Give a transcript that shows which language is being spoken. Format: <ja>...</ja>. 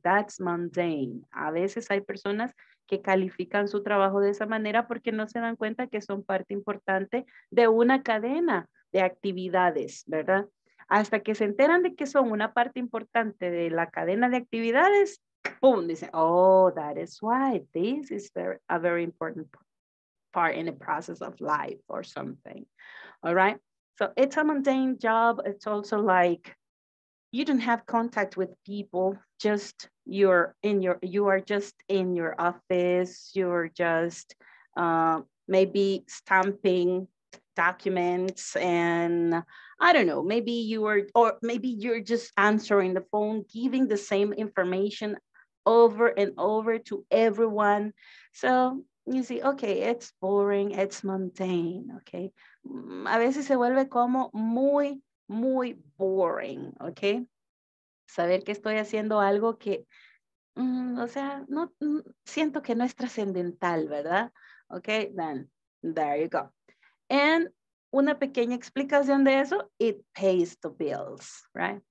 <en>That's mundane.</en> <es>A veces hay personas que califican su trabajo de esa manera porque no se dan cuenta que son parte importante de una cadena de actividades, ¿verdad? Hasta que se enteran de que son una parte importante de la cadena de actividades, ¡pum!</es> <en>Dicen, oh, that is why this is a very important part in the process of life or something. All right? So it's a mundane job. It's also like you don't have contact with people, just you are just in your office, you're just maybe stamping documents, and I don't know, maybe you're just answering the phone, giving the same information over and over to everyone. So you see, okay, it's boring, it's mundane, okay?</en> <es>A veces se vuelve como muy, muy boring, okay? Saber que estoy haciendo algo que, o sea, no, siento que no es trascendental, ¿verdad?</es> <en>Okay, then, there you go. And</en> <es>una pequeña explicación de eso,</es> <en>it pays the bills, right?</en>